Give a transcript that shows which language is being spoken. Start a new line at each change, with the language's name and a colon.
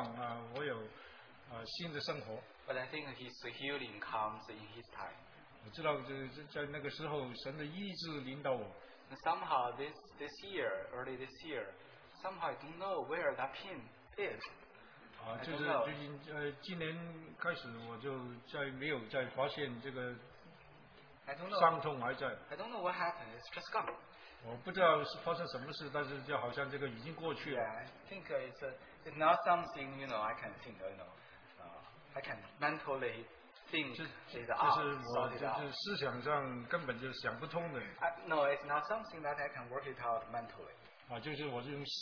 Chinese: 但是当主拯救了我以后，我就知道我前面有一个新的盼望，我有新的生活。
English: But I think His healing comes in His time.
Chinese: 我知道，就是在那个时候，神的医治领导我。
English: Somehow this year, early this year, somehow I don't know where that pain is.
Chinese: 就是最近今年开始，我就没有再发现这个伤痛还在。
English: I don't know what happened. It's just gone.
Chinese: 我不知道是发生什么事，但是就好像这个已经过去了。
English: Yeah, I think it's not something you know I can think of, you know, I can mentally.
Chinese: 就是思想上根本就想不通的。
English: No, it's not something that I can work it out mentally.